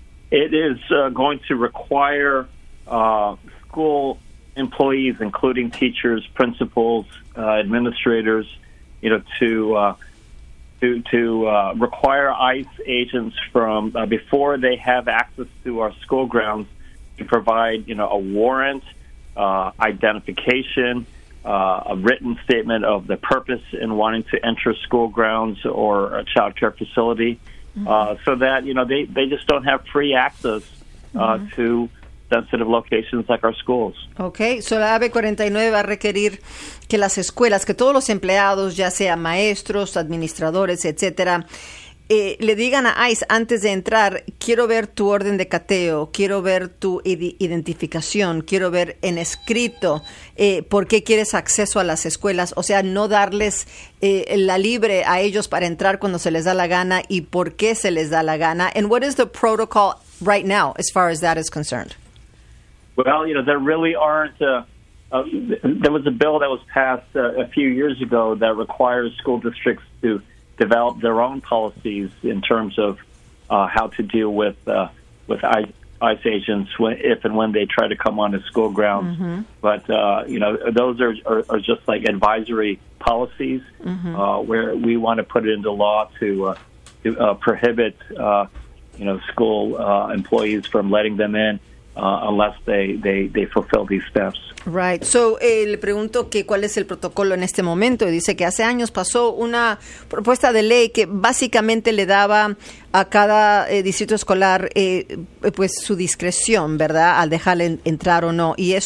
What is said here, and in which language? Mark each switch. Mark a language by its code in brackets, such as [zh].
[en] It is going to require school employees, including teachers, principals, administrators, you know, to require ICE agents from before they have access to our school grounds to provide, you know, a warrant, identification, a written statement of the purpose in wanting to enter school grounds or a child care facility, so that, you know, they just don't have free access to sensitive locations like our schools. [es] Okay, so la AB 49 va a requerir que las escuelas, que todos los empleados, ya sea maestros, administradores, etcétera, le digan a ICE antes de entrar, quiero ver tu orden de cateo, quiero ver tu identificación, quiero ver en escrito por qué quieres acceso a las escuelas. O sea, no darles la libre a ellos para entrar cuando se les da la gana y por qué se les da la gana. [en] And what is the protocol right now as far as that is concerned? Well, you know, there really aren't. There was a bill that was passed a few years ago that requires school districts to develop their own policies in terms of how to deal with ICE agents if and when they try to come onto school grounds. Mm-hmm. But you know, those are just like advisory policies where we want to put it into law to prohibit you know, school employees from letting them in. Unless they fulfill these steps. Right. [es] So le pregunto que cuál es el protocolo en este momento. Dice que hace años pasó una propuesta de ley que básicamente le daba a cada distrito escolar pues su discreción, ¿verdad?, al dejarle entrar o no.